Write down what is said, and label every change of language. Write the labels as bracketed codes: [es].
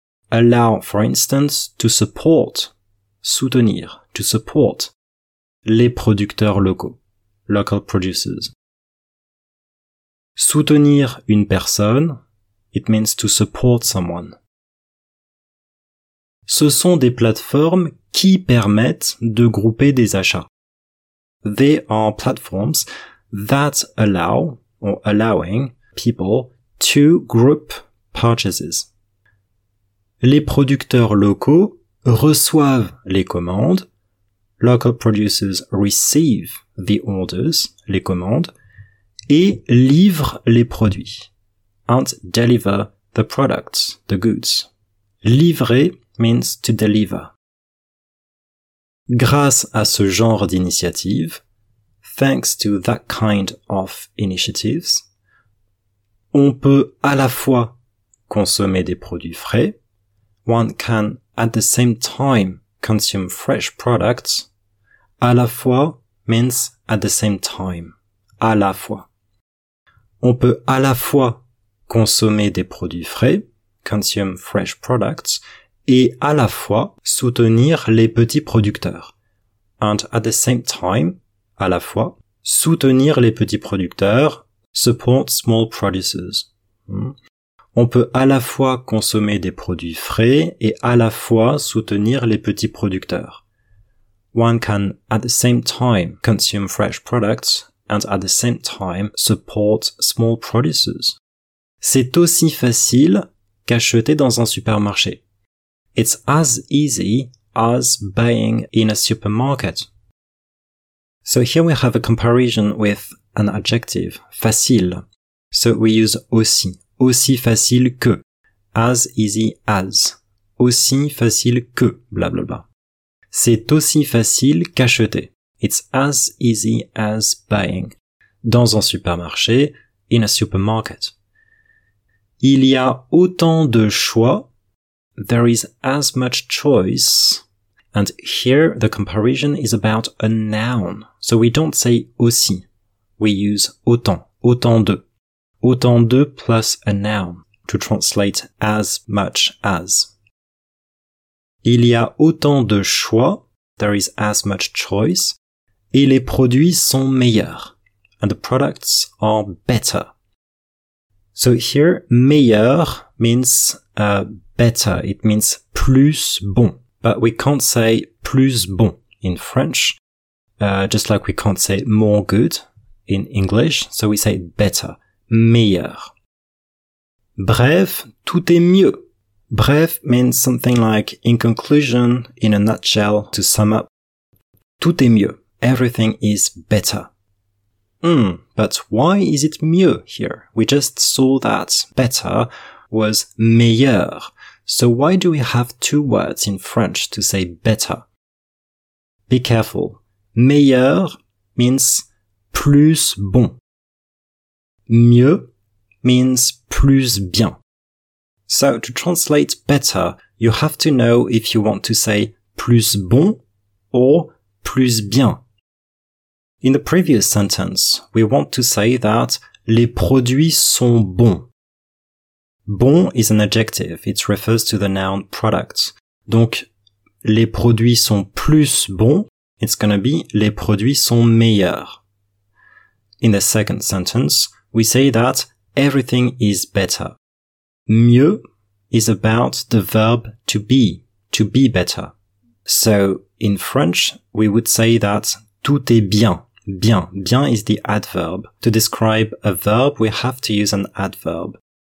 [en] Allow, for instance, to support, soutenir, to support [fr] les producteurs locaux, [en] local producers. [fr] Soutenir une personne, [en] it means to support someone. [fr] Ce sont des plateformes qui permettent de grouper des achats. [en] They are platforms that allow, or allowing, people to group purchases. [fr] Les producteurs locaux reçoivent les commandes. [en] Local producers receive the orders, [fr] les commandes, et livrent les produits. [en] And deliver the products, the goods. Livrer means to deliver. [fr] Grâce à ce genre d'initiative, [en] thanks to that kind of initiatives, [fr] on peut à la fois consommer des produits frais, [en] one can at the same time consume fresh products, [fr] à la fois [en] means at the same time, [fr] à la fois. On peut à la fois consommer des produits frais, [en] consume fresh products, [fr] et à la fois soutenir les petits producteurs. [en] And at the same time, à la fois, [fr] soutenir les petits producteurs, [en] support small producers. [fr] On peut à la fois consommer des produits frais et à la fois soutenir les petits producteurs. [en] One can at the same time consume fresh products and at the same time support small producers. [fr] C'est aussi facile qu'acheter dans un supermarché. [en] It's as easy as buying in a supermarket. So here we have a comparison with an adjective, facile. So we use aussi, [fr] aussi facile que, [en] as easy as, aussi facile que, blablabla. [fr] C'est aussi facile qu'acheter. [en] It's as easy as buying. [fr] Dans un supermarché, [en] in a supermarket. [fr] Il y a autant de choix. [en] There is as much choice. And here the comparison is about a noun. So we don't say aussi. We use autant, autant de. Autant de plus a noun to translate as much as. [fr] Il y a autant de choix. [en] There is as much choice. [fr] Et les produits sont meilleurs. [en] And the products are better. So here, meilleur means better. It means plus bon. But we can't say plus bon in French. Just like we can't say more good in English. So we say better. Meilleur. [fr] Bref, tout est mieux. [en] Bref means something like in conclusion, in a nutshell, to sum up. [fr] Tout est mieux. [en] Everything is better. But why is it mieux here? We just saw that better was meilleur. So why do we have two words in French to say better? Be careful. Meilleur means plus bon. Mieux means plus bien. So to translate better, you have to know if you want to say plus bon or plus bien. In the previous sentence, we want to say that [fr] les produits sont bons. [en] Bon is an adjective. It refers to the noun product. [fr] Donc, les produits sont plus bons. [en] It's gonna be [fr] les produits sont meilleurs. [en] In the second sentence, we say that everything is better. Mieux is about the verb to be better. So in French, we would say that [fr] tout est bien. [en] Bien. Bien is the adverb. To describe a verb, we have to use an adverb.